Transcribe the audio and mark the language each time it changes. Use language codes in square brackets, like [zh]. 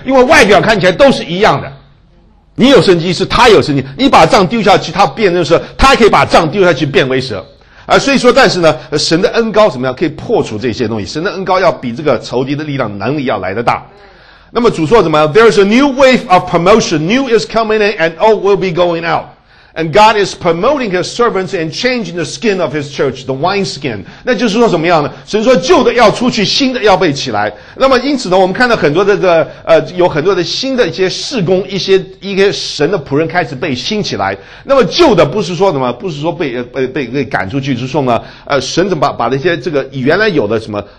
[zh] 因为外表看起来都是一样的。你有神迹是他有神迹，你把杖丢下去他变成蛇，他可以把杖丢下去变为蛇。啊，所以说，但是呢，神的恩膏怎么样可以破除这些东西？神的恩膏要比这个仇敌的力量能力要来得大。那么主说怎么样 [en] ？There's a new wave of promotion. New is coming in, and old will be going out. And God is promoting His servants and changing the skin of His church, the wine skin. [zh] 那就是说怎么样呢？神说旧的要出去，新的要被起来。那么因此呢，我们看到很多的这个有很多的新的一些事工，一些神的仆人开始被兴起来。那么旧的不是说什么，不是说被赶出去，是说呢，神怎么把那些这个原来有的什么？